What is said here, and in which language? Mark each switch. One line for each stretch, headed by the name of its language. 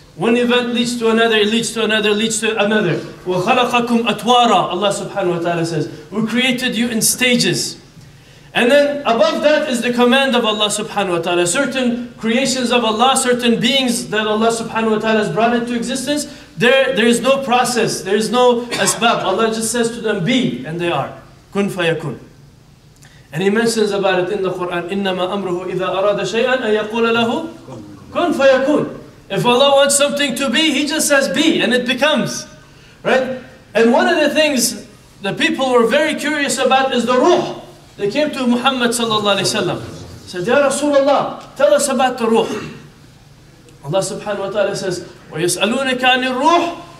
English: One event leads to another, leads to another, leads to another.
Arabic: وَخَلَقَكُمْ أَتْوَارًا,
English: Allah subhanahu wa ta'ala says, we created you in stages. And then above that is the command of Allah subhanahu wa ta'ala. Certain creations of Allah, certain beings that Allah subhanahu wa ta'ala has brought into existence, there is no process, there is no asbab. Allah just says to them, be, and they are.
Arabic: Kun fayakun.
English: And He mentions about it in the Quran,
Arabic: إِنَّمَا أَمْرُهُ إِذَا أَرَادَ شَيْئًا أَن يَقُولَ لَهُ كُن فَيَكُونَ.
English: If Allah wants something to be, He just says be, and it becomes. Right? And one of the things the people were very curious about is the ruh. They came to Muhammad sallallahu alayhi wa sallam. Said, Ya Rasulullah, tell us about the ruh. Allah subhanahu wa ta'ala says,
Arabic: وَيَسْأَلُونَكَ عَنِ الرُّوحِ.